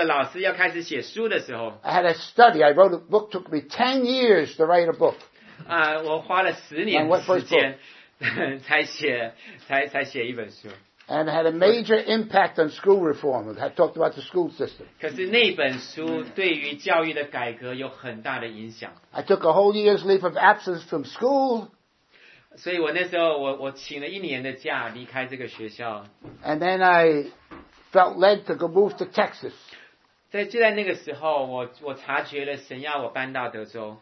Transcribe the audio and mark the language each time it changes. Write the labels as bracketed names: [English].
[Chinese] 所以当神呼召我做一个老师要开始写书的时候， [English] I had a study. I wrote a book. Took me 10 years to write a book. [Chinese] 我花了十年时间才写一本书。 [English] And had a major impact on school reform. I talked about the school system. [Chinese] 可是那本书对于教育的改革有很大的影响。 [English] I took a whole year's leave of absence from school. [Chinese] 所以我那时候我请了一年的假离开这个学校。 [English] And then I felt led to go move to Texas. [Chinese] 就在那个时候，我察觉了神要我搬到德州。